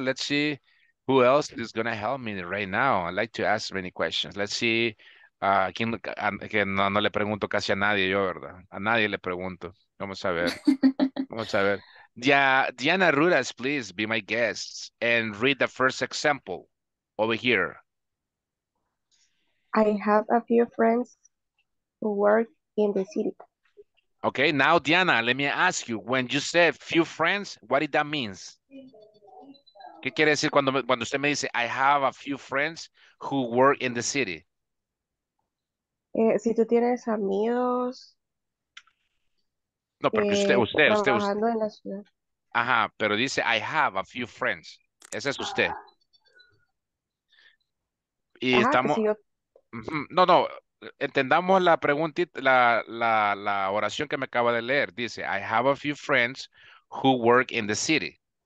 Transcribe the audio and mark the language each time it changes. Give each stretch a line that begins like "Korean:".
English: Let's see who else is gonna help me right now. I'd like to ask many questions. Let's see.
Spanish: No le pregunto casi a nadie yo, ¿verdad? A nadie le pregunto. Vamos a ver.
English: Yeah, Diana Rudas, please be my guest and read the first example over here. I have a few friends who work in the city. Okay, now Diana, let me ask you, when you say few friends, what does that mean?
Spanish: ¿Qué quiere decir cuando usted me dice,
English: I have a few friends who work in the city?
Spanish: Si tú tienes amigos. No, pero usted. Trabajando en la ciudad. Ajá, pero dice,
English: I have a few friends.
Spanish: Ese es usted. Y ajá, estamos. Si yo... No, no. Entendamos la pregunta, la oración que me acaba de leer. Dice,
English: I have a few friends who work in the city.